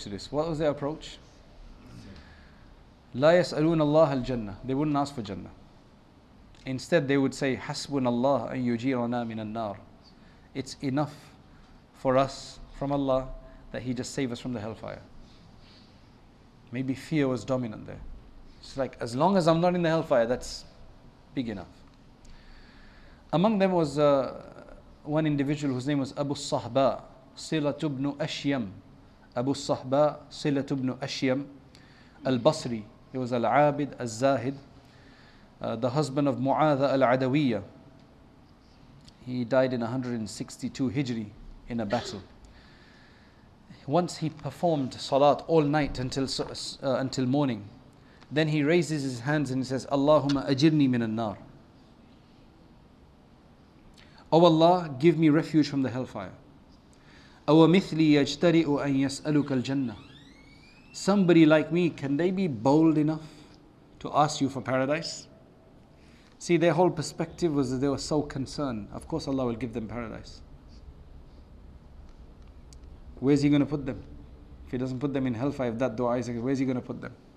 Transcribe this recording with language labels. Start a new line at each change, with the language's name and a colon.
English: What was their approach?
Arabic: لا يسألون الله الجنة.
English: They wouldn't ask for Jannah. Instead, they would say,
Arabic: حسبنا الله أن يجيرنا من النار.
English: It's enough for us from Allah that He just save us from the hellfire. Maybe fear was dominant there. It's like, as long as I'm not in the hellfire, that's big enough. Among them was one individual whose name was Abu Sahba, Silat ibn Ashyam. Abu Sahba, Silat ibn Ashyam, Al-Basri. He was Al-Abid, Al-Zahid, the husband of Mu'adha Al-Adawiyya. He died in 162 Hijri in a battle. Once he performed salat all night until morning. Then he raises his hands and he says,
Arabic: Allahumma ajirni minan nar.
English: O Allah, give me refuge from the hellfire.
Arabic: أو مثلي يجترئ أن يسألك الجنة.
English: Somebody like me, can they be bold enough to ask you for paradise? See, their whole perspective was that they were so concerned. Of course Allah will give them paradise. Where's He going to put them? If He doesn't put them in hellfire, if that dua is, where's He going to put them?